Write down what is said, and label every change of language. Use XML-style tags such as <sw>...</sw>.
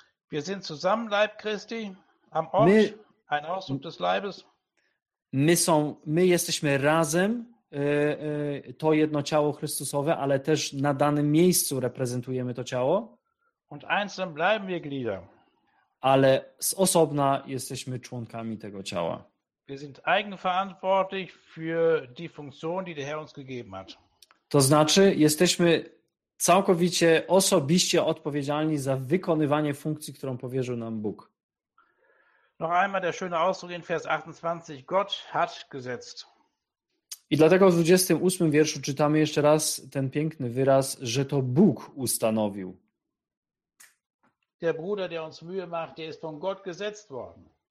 <de>Wir sind zusammen Leib Christi am Ort. Ein Ausdruck des Leibes.</de> <pl>My jesteśmy razem to jedno ciało Chrystusowe, ale też na danym miejscu reprezentujemy to ciało.</pl> <de>Und einzeln bleiben wir Glieder.</de> <pl>Ale z osobna jesteśmy członkami tego ciała.</pl> <de>Wir sind eigenverantwortlich für die Funktion, die der Herr uns gegeben hat.</de> <pl>To znaczy, jesteśmy całkowicie osobiście odpowiedzialni za wykonywanie funkcji, którą powierzył nam Bóg.</pl> <de>Noch einmal der schöne Ausdruck in Vers 28. Gott hat gesetzt.</de> <pl>I dlatego w 28. wierszu czytamy jeszcze raz ten piękny wyraz, że to Bóg ustanowił.</pl> <de>Der Bruder, der uns Mühe macht, der ist von Gott gesetzt worden.</de>